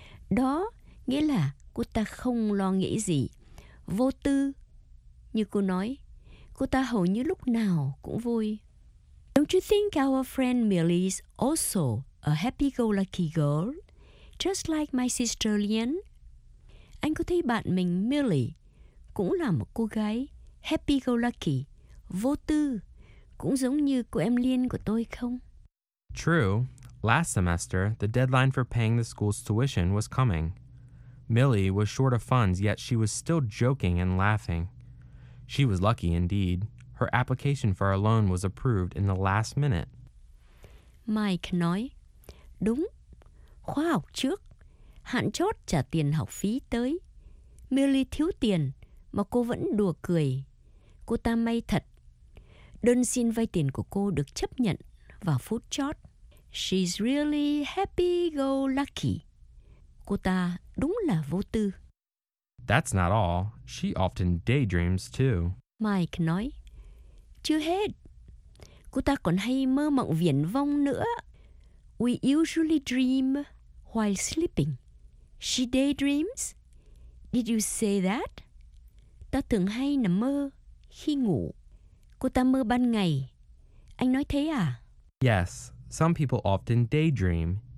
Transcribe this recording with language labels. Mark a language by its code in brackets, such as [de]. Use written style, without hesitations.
[vi] Đó nghĩa là cô ta không lo nghĩ gì, vô tư. Như cô nói, cô ta hầu như lúc nào cũng vui. [en] Don't you think our friend Millie is also a happy-go-lucky girl, just like my sister Lian? [vi] Anh có thấy bạn mình Millie cũng là một cô gái happy-go-lucky, vô tư, cũng giống như cô em Lian của tôi không? [en] True. Last semester, the deadline for paying the school's tuition was coming. Millie was short of funds, yet she was still joking and laughing. She was lucky indeed. Her application for a loan was approved in the last minute. [vi] Mike nói, đúng, khóa học trước, hạn chót trả tiền học phí tới. Millie thiếu tiền, mà cô vẫn đùa cười. Cô ta may thật. Đơn xin vay tiền của cô được chấp nhận vào phút chót. [en] She's really happy-go-lucky. [vi] Cô ta đúng là vô tư. [en] That's not all. She often daydreams too. [vi] Mike nói, chưa hết, cô ta còn hay mơ mộng viển vông nữa. [en] We usually dream while sleeping. She daydreams. Did you say that? [vi] Ta thường hay nằm mơ khi ngủ. Cô ta mơ ban ngày. Anh nói thế à? [en] Yes, some people often daydream.